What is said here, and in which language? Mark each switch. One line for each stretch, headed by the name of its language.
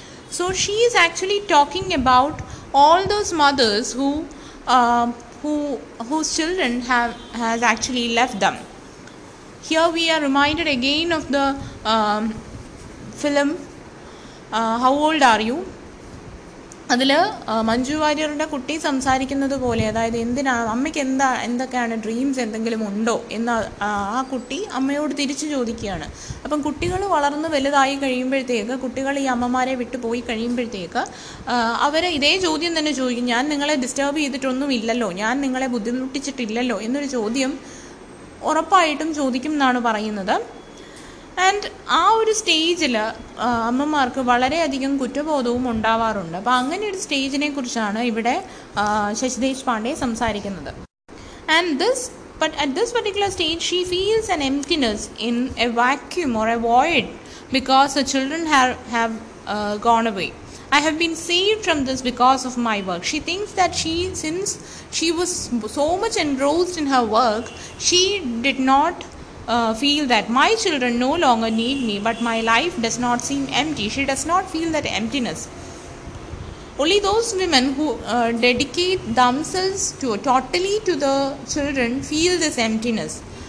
English: So she is actually talking about all those mothers whose children has actually left them. Here we are reminded again of the film How Old Are You?
Malayalam: അതിൽ മഞ്ജു വാര്യറുടെ കുട്ടി സംസാരിക്കുന്നത് പോലെ, അതായത് എന്തിനാണ് അമ്മയ്ക്ക് എന്തൊക്കെയാണ് dreams, എന്തെങ്കിലും ഉണ്ടോ എന്ന് ആ കുട്ടി അമ്മയോട് തിരിച്ചു ചോദിക്കുകയാണ്. അപ്പം കുട്ടികൾ വളർന്ന് വലുതായി കഴിയുമ്പോഴത്തേക്ക്, കുട്ടികൾ ഈ അമ്മമാരെ വിട്ടുപോയി കഴിയുമ്പോഴത്തേക്ക് അവർ ഇതേ ചോദ്യം തന്നെ ചോദിക്കും, ഞാൻ നിങ്ങളെ ഡിസ്റ്റർബ് ചെയ്തിട്ടൊന്നുമില്ലല്ലോ, ഞാൻ നിങ്ങളെ ബുദ്ധിമുട്ടിച്ചിട്ടില്ലല്ലോ എന്നൊരു ചോദ്യം ഉറപ്പായിട്ടും ചോദിക്കും എന്നാണ് പറയുന്നത്. ആൻഡ് ആ ഒരു സ്റ്റേജിൽ അമ്മമാർക്ക് വളരെയധികം കുറ്റബോധവും ഉണ്ടാവാറുണ്ട്. അപ്പോൾ അങ്ങനെയൊരു സ്റ്റേജിനെ കുറിച്ചാണ് ഇവിടെ ശശിദേശ് പാണ്ഡെ സംസാരിക്കുന്നത്.
English: And at this particular stage she feels an emptiness in a vacuum or a void because the children have gone away. I have been saved from this because of my work. She thinks that since she was so much engrossed in her work, she did not feel that my children no longer need me, but my life does not seem empty. She does not feel that emptiness. Only those women who dedicate themselves totally to the children feel this emptiness.